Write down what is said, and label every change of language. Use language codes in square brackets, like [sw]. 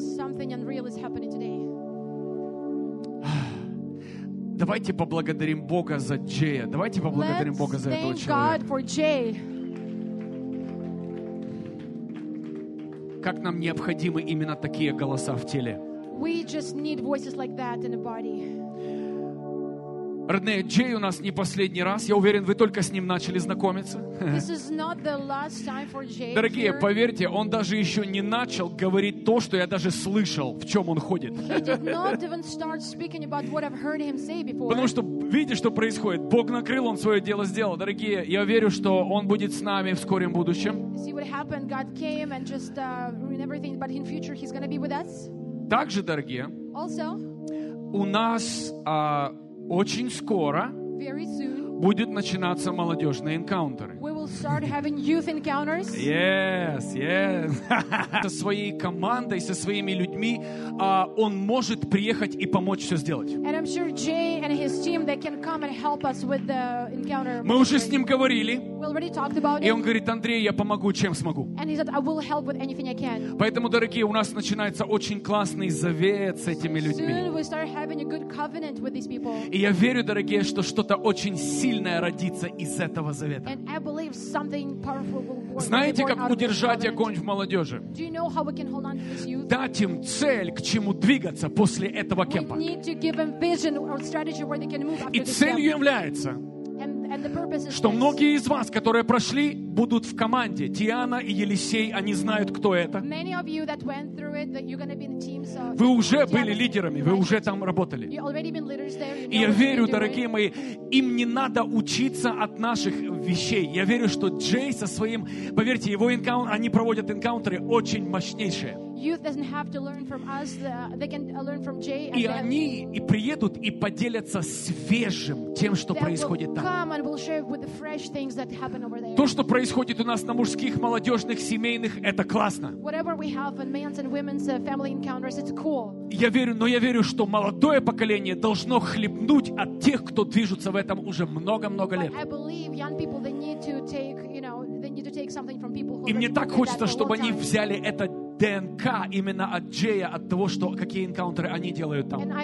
[en] Something unreal is happening today. [ru] Давайте поблагодарим Бога за Джея. Давайте поблагодарим [en] Let's [ru] Бога за этого человека. [en] God for Jay. [ru] Как нам необходимы именно такие голоса в теле. [en] We just need voices like that in the body. [ru] Родные, Джей у нас не последний раз. Я уверен, вы только с ним начали знакомиться. [en] This is not the last time for Jay. [ru] Дорогие, [en] here. [ru] Поверьте, он даже еще не начал говорить то, что я даже слышал, в чем он ходит. Потому что видите, что происходит. Бог накрыл, он свое дело сделал. Дорогие, я верю, что он будет с нами в скором будущем. Также, дорогие, also, у нас... Очень скоро будет начинаться молодежные энкаунтеры. [en] We will start having youth encounters. Yes, yes. [ru] Со своей командой, со своими людьми, он может приехать и помочь все сделать. [en] And I'm sure Jay and his team they can come and help us with the encounter. [ru] Мы уже с ним говорили. [en] We already talked about it. [ru] И он говорит, Андрей, я помогу, чем смогу. [en] And he said, I will help with anything I can. [ru] Поэтому, дорогие, у нас начинается очень классный завет с этими людьми. [en] Soon we start having a good covenant with these people. [ru] И я верю, дорогие, что что-то очень сильное родится из этого завета. [en] And I believe believe something powerful will work. [ru] Знаете, как удержать огонь в молодежи? [en] Do you know how we can hold on to this youth? [ru] Дать им цель, к чему двигаться после этого кемпа. [en] We need to give them vision or strategy where they can move after. [ru] И целью является, что многие из вас, которые прошли, будут в команде. Тиана и Елисей, они знают, кто это. Вы уже были лидерами, вы уже там работали. И я верю, дорогие мои, им не надо учиться от наших вещей. Я верю, что Джей со своим, поверьте, его энкаунтер, они проводят энкаунтеры очень мощнейшие. [en] Youth doesn't have to learn from us. They can learn from Jay. [ru] И они и приедут и поделятся свежим тем, что происходит там. То, что происходит у нас на мужских, молодежных, семейных, это классно. Whatever we have in men's and women's family encounters, it's cool. Я верю, но я верю, что молодое поколение должно хлебнуть от тех, кто движутся в этом уже много-много лет. [en] I believe young people they need to take, you know, they need to take something from people. [ru] И мне так хочется, чтобы они взяли это ДНК именно от Джея, от того, что, какие энкаунтеры они делают там.